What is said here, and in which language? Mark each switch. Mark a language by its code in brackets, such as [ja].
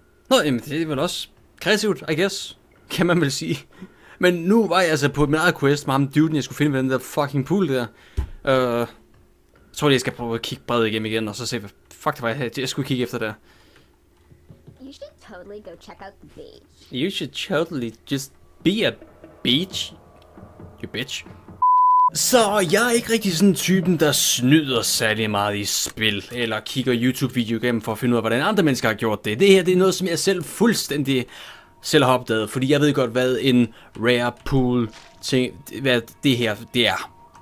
[da] Nå, jamen det er vel også kreativt, [en] I guess. [da] Kan man vel sige. Men nu var jeg altså på min eget quest med ham duden, jeg skulle finde ved den der fucking pool der. Jeg tror lige, jeg skal prøve at kigge bredt igennem igen, og så se, hvad fuck det var, jeg skulle kigge efter der. [en] You should totally go check out the beach. You should totally just be a beach. You bitch. [da] Så jeg er ikke rigtig sådan en typen, der snyder særlig meget i spil, eller kigger YouTube-video igennem for at finde ud af, hvordan andre mennesker har gjort det. Det her, det er noget, som jeg selv fuldstændig... selv har opdaget, fordi jeg ved godt, hvad en rare pool ting, hvad det her, det er.